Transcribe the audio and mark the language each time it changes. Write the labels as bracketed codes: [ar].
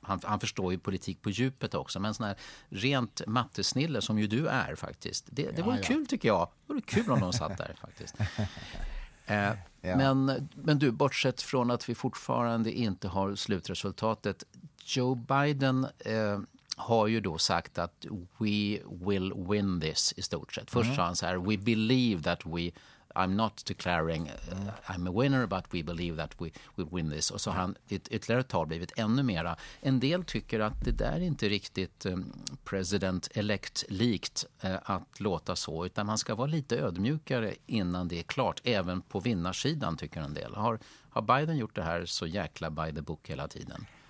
[sv] han förstår ju politik på djupet också, men sån här rent mattesnille som ju du är faktiskt, det vore kul tycker jag. Det vore kul om de satt där faktiskt. Men du, bortsett från att vi fortfarande inte har slutresultatet, Joe Biden har ju då sagt att [en] we will win this [sv] i stort sett. Först sa han så här, [en] we believe that I'm not declaring I'm a winner, but we believe that we will win this. [sv] Och så har han ytterligare ett tal blivit ännu mera. En del tycker att det där är inte riktigt president-elect-likt att låta så, utan man ska vara lite ödmjukare innan det är klart. Även på vinnarsidan tycker en del. Har Biden gjort det här så jäkla [en] by the book [sv] hela tiden?